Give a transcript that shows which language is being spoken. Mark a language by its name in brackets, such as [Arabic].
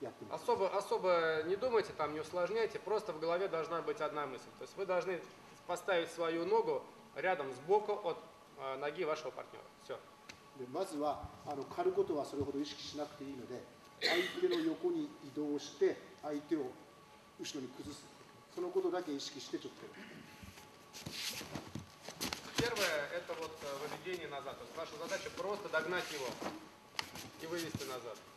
[Russian] Особо не думайте, там не усложняйте, просто в голове должна быть одна мысль. То есть вы должны поставить свою ногу рядом сбоку от ноги вашего партнера. Все. [Japanese] まずは刈ることはそれほど意識しなくていいので相手の横に移動して相手を後ろに崩すそのことだけ意識してちょっと [Russian] первое это вот выведение назад ваша задача просто догнать его и вывести назад